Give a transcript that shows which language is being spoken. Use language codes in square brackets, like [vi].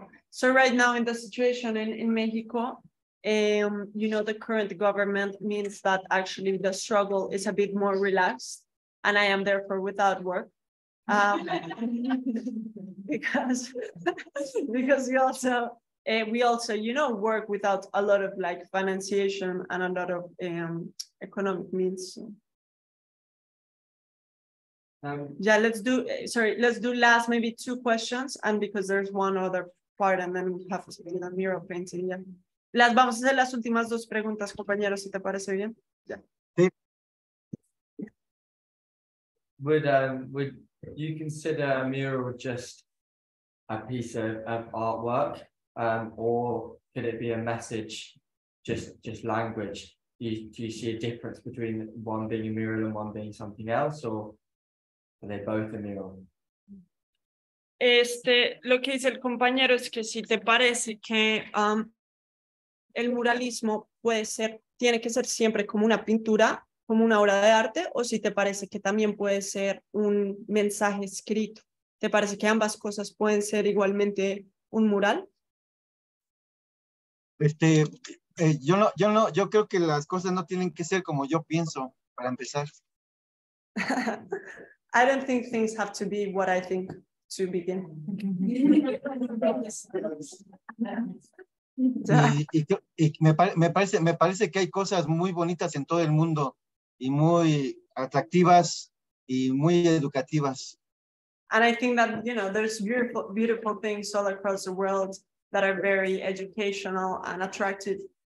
[en] So right now in the situation in Mexico, you know, the current government means that actually the struggle is a bit more relaxed, and I am therefore without work, because we also you know, work without a lot of like financiation and a lot of economic means. Let's do last maybe two questions, and because there's one other part and then we have to do the mural painting. Yeah. [es] Las vamos a hacer las últimas dos preguntas, compañeros, si te parece bien. [en] Yeah. [es] Sí. [en] Would you consider a mural just a piece of artwork, or could it be a message, just language? Do you see a difference between one being a mural and one being something else, or are they both a mural? [es] Lo que dice el compañero es que si te parece que el muralismo tiene que ser siempre como una pintura, como una obra de arte, o si te parece que también puede ser un mensaje escrito. ¿Te parece que ambas cosas pueden ser igualmente un mural? Yo creo que las cosas no tienen que ser como yo pienso, para empezar. [en] I don't think things have to be what I think to begin. [es] Me parece que hay cosas muy bonitas en todo el mundo y muy atractivas y muy educativas. [en] And I think that, you know, there's beautiful things all across the world that are very educational and attractive.